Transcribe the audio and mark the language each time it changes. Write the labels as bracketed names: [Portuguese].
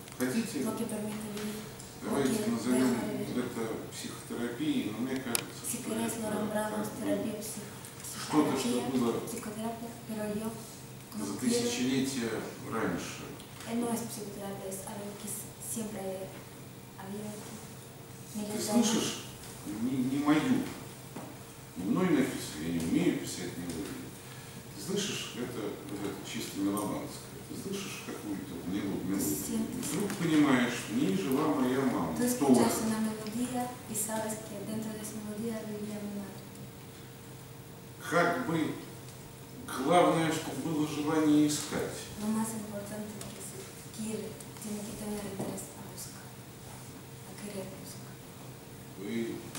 [Russian] Хотите, давайте назовем это психотерапией, но мне кажется, что-то, что было за тысячелетия раньше. [Spanish] No es psicoterapia, es algo que siempre había aquí. [Russian] Ты слышишь? Не мою. Не мной написано, я не умею писать мелодию. Ты слышишь? Это чисто меломанское. Ты слышишь какую-то мелодию? Вдруг понимаешь, в ней жила моя мама. Ты слышишь на мелодию и знаешь, что [Spanish] dentro de esa мелодия vivía mi madre. [Russian] Как бы главное, чтобы было желание искать. [Spanish] Lo más importante. Tiene que tener interés a buscar, a querer buscar.